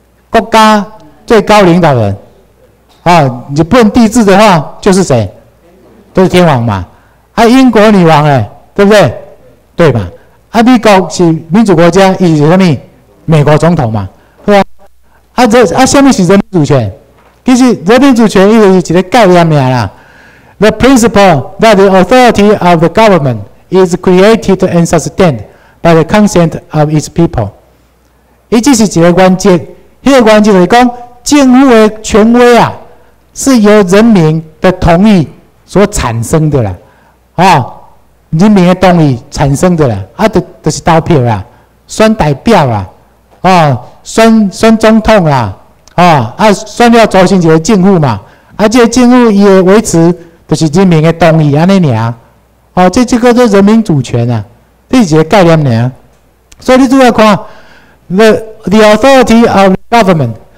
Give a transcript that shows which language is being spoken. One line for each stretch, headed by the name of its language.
Chinese: 国家最高领导人。啊，日本帝制的话就是谁？就是天皇嘛。啊，英国女王哎，对不对？对吧？啊，美国是民主国家，伊是啥物？美国总统嘛，是吧？啊，这啊，啥物是人民主权？其实人民主权伊就是一个概念名啦。
English: The principle that the authority of the government is created and sustained by the consent of its people，
Chinese: 伊只是一个原则，迄个原则就是讲。政府的权威啊，是由人民的同意所产生的啦，啊、哦，人民的同意产生的啦，啊，就是投票啦，选代表啦，啊、哦，选总统啦，哦、啊，选了组成一个政府嘛，啊，这个政府伊的维持就是人民的同意安尼尔，哦，这叫做人民主权啊，这是一个概念尔，所以你主要看
English: the authority of government。